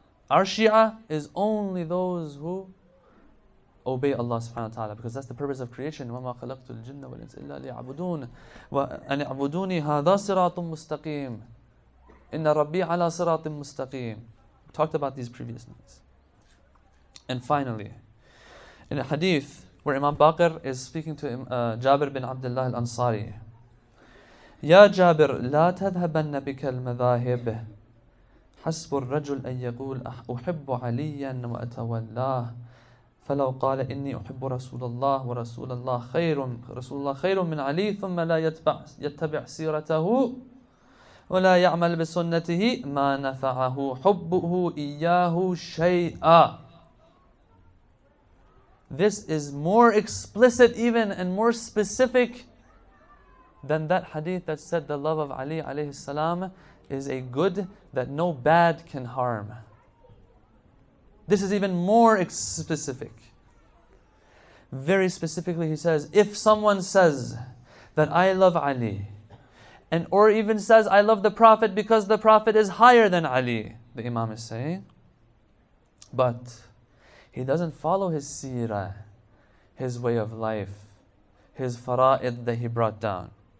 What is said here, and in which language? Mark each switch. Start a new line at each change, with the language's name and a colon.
English: Our Shia is only those who obey Allah subhanahu wa ta'ala, because that's the purpose of creation.
Arabic: وَمَا خَلَقْتُ الْجِنَّ وَالْإِنْسِ إِلَّا لِيَعْبُدُونَ وَأَنْ يَعْبُدُونِ هَذَا صِرَاطٌ مُسْتَقِيمٌ إِنَّ رَبِّي عَلَى صِرَاطٍ مُسْتَقِيمٌ.
English: Talked about these previous nights. And finally, in a hadith where Imam Baqir is speaking to Jabir bin Abdullah al-Ansari,
Arabic: يَا جَابِرْ لَا تَذْهَبَنَّ بِكَ الْمَذَاهِبِ حَسْبُ الرَّجُلْ أَنْ يَقُولَ أُحِبُّ عَلِيًّا وَأَتَوَلَّاهُ فَلَوْ قَالَ إِنِّي أُحِبُّ رَسُولَ اللَّهِ وَرَسُولَ اللَّهِ خَيْرٌ رَسُولَ اللَّهِ خَيْرٌ مِنْ عَلِيٍّ ثُمَّ لَا يَتَّبِعْ سِيرَتَهُ وَلَا يَعْمَلْ بِسُنَّتِهِ مَا نَفَعَهُ حُبُّهُ إِيَّاهُ شَيْئًا.
English: This is more explicit even and more specific than that hadith that said the love of Ali عليه السلام is a good that no bad can harm. This is even more specific. Very specifically, he says, if someone says that I love Ali, and or even says I love the Prophet because the Prophet is higher than Ali, the Imam is saying, but he doesn't follow his seerah, his way of life, his fara'id that he brought down.